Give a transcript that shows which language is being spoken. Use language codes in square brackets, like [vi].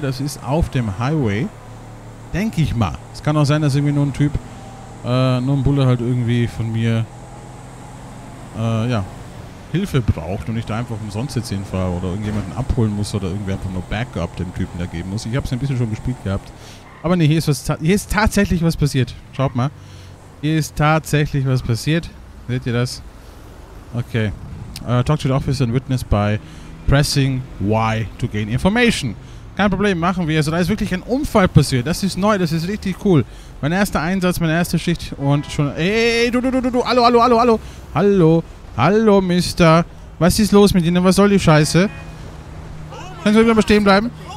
[de] Das ist auf dem Highway. Denke ich mal. Es kann auch sein, dass irgendwie nur ein Typ, nur ein Bulle halt irgendwie von mir, Hilfe braucht und ich da einfach umsonst jetzt hinfahre oder irgendjemanden abholen muss oder irgendwer einfach nur Backup dem Typen da geben muss. Ich habe es ein bisschen schon gespielt gehabt. Aber nee, hier ist tatsächlich was passiert. Schaut mal. Hier ist tatsächlich was passiert. Seht ihr das? Okay. [en] Talk to the officer and witness by pressing Y to gain information. [de] Kein Problem, machen wir. Also da ist wirklich ein Unfall passiert. Das ist neu, das ist richtig cool. Mein erster Einsatz, meine erste Schicht und schon... Ey, du, hallo. Hallo, Mister. Was ist los mit Ihnen? Was soll die Scheiße? Können Sie mal stehen bleiben?